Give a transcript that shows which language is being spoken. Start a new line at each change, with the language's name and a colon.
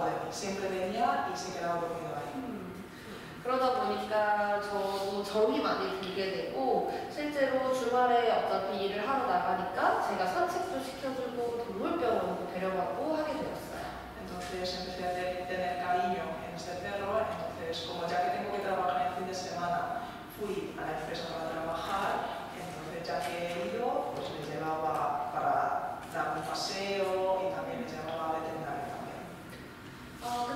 Spanish: Siempre venía y se quedaba dormido ahí.
Korean: 그러다 보니까 저도 정이 많이 들게 되고 실제로 주말에 어차피 일을 하러 나가니까 제가 산책도 시켜주고 동물병원도 데려가고 하게 되었어요.
Spanish: Entonces ya que he ido, pues le llevaba para dar un paseo y también le llevaba a veterinario también.